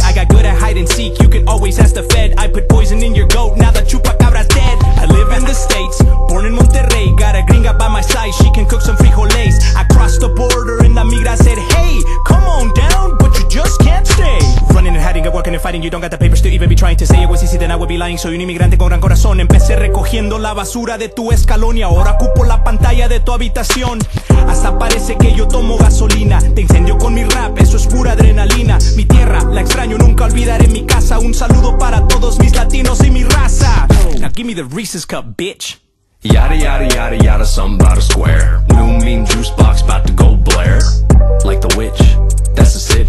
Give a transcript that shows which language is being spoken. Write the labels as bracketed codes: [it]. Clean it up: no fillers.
[en] I got good at hide and seek, you can always ask the fed. I put poison in your goat, now the chupacabra's dead. I live in the States, born in Monterrey, got a gringa by my side, she can cook some frijoles. I crossed the border and la migra said, hey, come on down, but you just can't stay. Running and hiding and working and fighting, you don't got the papers to even be trying to say. It was easy, then I would be lying. [es] Soy un inmigrante con gran corazón. Empecé recogiendo la basura de tu escalón y ahora ocupo la pantalla de tu habitación. Hasta parece que yo tomo gasolina. Te incendio con mi rap, eso es pura adrenalina. Mi tierra, la extraño, nunca olvidaré mi casa. Un saludo para todos mis latinos y mi raza. [en] Now give me the Reese's Cup, bitch. Yada yada yada yada, something about a square. New meme juice box about to go blare. Like the witch, that's the